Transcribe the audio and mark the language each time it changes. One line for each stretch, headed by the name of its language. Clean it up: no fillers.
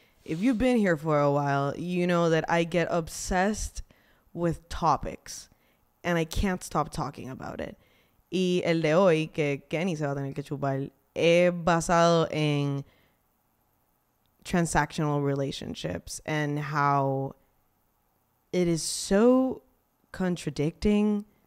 English: If you've been here for a while, you know that I get obsessed with topics. And I can't stop talking about it.
Spanish: Y el de hoy, que Kenny se va a tener que chupar, es basado en...
English: transactional relationships and how it is so contradicting.